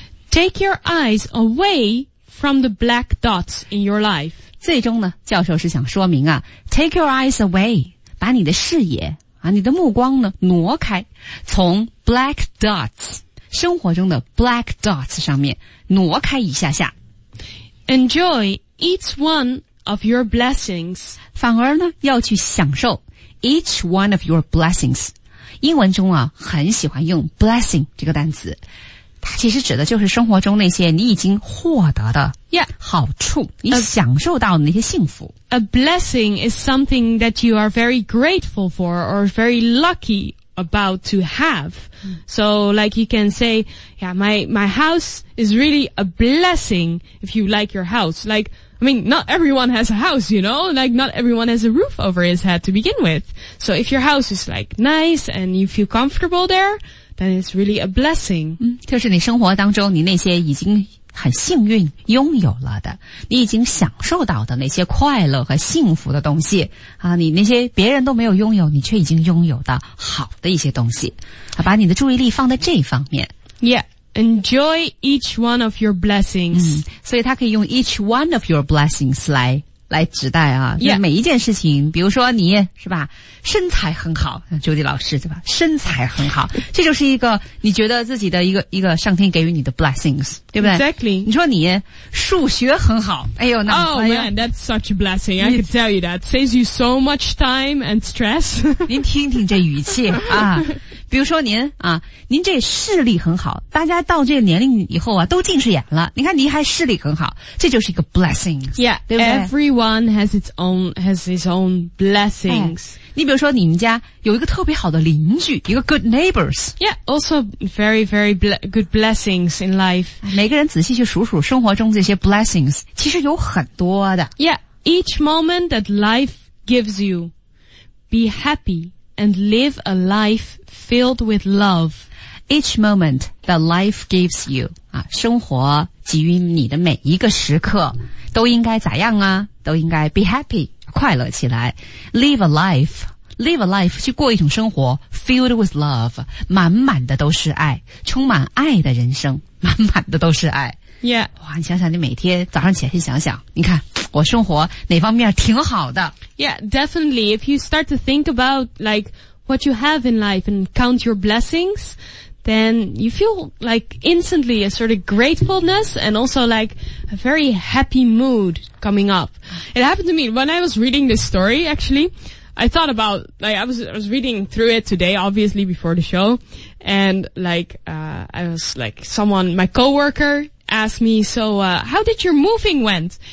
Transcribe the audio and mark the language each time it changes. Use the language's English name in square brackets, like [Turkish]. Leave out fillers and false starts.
[English] Take your eyes away from the black dots in your life. [Chinese] 最终呢，教授是想说明啊 , [English] take your eyes away. [Chinese] 把你的视野啊，你的目光呢挪开，从 black dots 生活中的 black dots 上面挪开一下下。 [English] Enjoy each one of your blessings. [Chinese] 反而呢要去享受 [English] each one of your blessings. [Chinese] 英文中啊很喜欢用 blessing 这个单词，它其实指的就是生活中那些你已经获得的好处 [English] yeah, [Chinese] 你享受到的那些幸福。 [English] A blessing is something that you are very grateful for or very lucky about to have. So like you can say, yeah, my house is really a blessing if you like your house. Like, I mean, not everyone has a house, you know? Like not everyone has a roof over his head to begin with. So if your house is like nice and you feel comfortable there, then it's really a blessing. [Chinese] 嗯，就是你生活当中你那些已经很幸运拥有了的，你已经享受到的那些快乐和幸福的东西啊，你那些别人都没有拥有你却已经拥有的好的一些东西啊，把你的注意力放在这方面。 [English] Yeah, enjoy each one of your blessings. [Chinese] 嗯，所以它可以用 [English] each one of your blessings [Chinese] 来指代啊，就每一件事情、 [English] yeah. [Chinese] 比如说你是吧身材很好，像朱迪老师对吧，身材很好，这就是一个你觉得自己的一个上天给予你的 blessings, 对不对 [English] ?Exactly. [Chinese] 你说你数学很好，哎呦那么好。 [English] Oh man, that's such a blessing, I can tell you that. Saves you so much time and stress. [Chinese] 您听听这语气啊。比如说您啊，您这视力很好，大家到这个年龄以后啊都近视眼了，你看您还视力很好，这就是一个 blessings, [English] yeah, [Chinese] 对不对？ [English] Everyone has his own blessings.、 [Chinese] 哎、你比如说你们家有一个特别好的邻居，一个 [English] good neighbors, yeah, also very very good blessings in life. [Chinese] 每个人仔细去数数生活中这些 blessings, 其实有很多的。 [English] Yeah, each moment that life gives you, be happy and live a lifefilled with love. Each moment that life gives you, [Chinese] 啊，生活给予你的每一个时刻都应该咋样啊，都应该 [English] be happy, [Chinese] 快乐起来。 [English] Live a life, live a life [Chinese] 去过一种生活 [English] filled with love [Chinese] 满满的都是爱充满爱的人生满满的都是爱 [English] Yeah [Chinese] 哇你想想你每天早上起来去想想你看我生活哪方面挺好的 [English] Yeah definitely if you start to think about like what you have in life and count your blessings then you feel like instantly a sort of gratefulness and also like a very happy mood coming up. It happened to me when I was reading this story, actually, I thought about, like, I was reading through it today, obviously, before the show, and like, I was like, someone, my coworker asked me, so, how did your moving went?